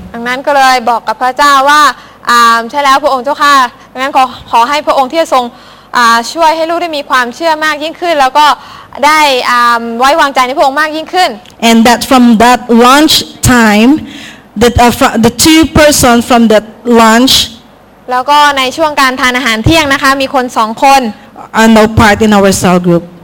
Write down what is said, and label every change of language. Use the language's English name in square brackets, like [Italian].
[Thai] ดังนั้นก็เลยบอกกับพระเจ้าว่าใช่แล้วพระองค์เจ้าค่ะดังนั้นขอให้พระองค์ที่ทรงช่วยให้ลูกได้มีความเชื่อมากยิ่งขึ้นแล้วก็ได้ไว้วางใจในพระองค์มากยิ่งขึ้น [English] And that from that lunch time the two person from that lunch [Thai] แล้วก็ในช่วงการทานอาหารเที่ยงนะคะมีคน2คน [English] and now part in our cell group